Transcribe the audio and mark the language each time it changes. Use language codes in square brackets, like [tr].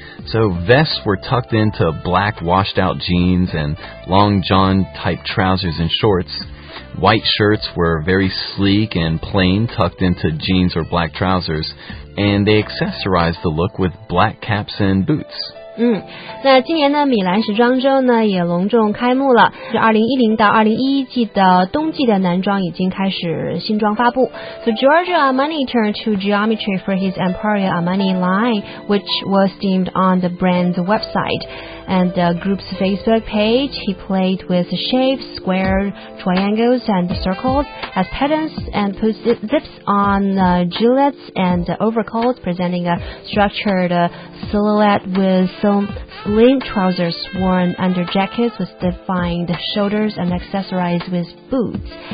[en] So vests were tucked into black washed-out jeans and long john-type trousers and shorts. White shirts were very sleek and plain, tucked into jeans or black trousers. And they accessorized the look with black caps and boots. [zh] 那今年的米兰时装周呢也隆重开幕了，是2010到2011季的冬季的男装已经开始新装发布。 [en] So Giorgio Armani turned to geometry for his Emporio Armani line, which was themed on the brand's website and the group's Facebook page. He played with shapes, squares, triangles and circles as patterns and put zips on gilets and overcoats, presenting a structured silhouette withSome slim trousers worn under jackets with defined shoulders and accessorized with boots.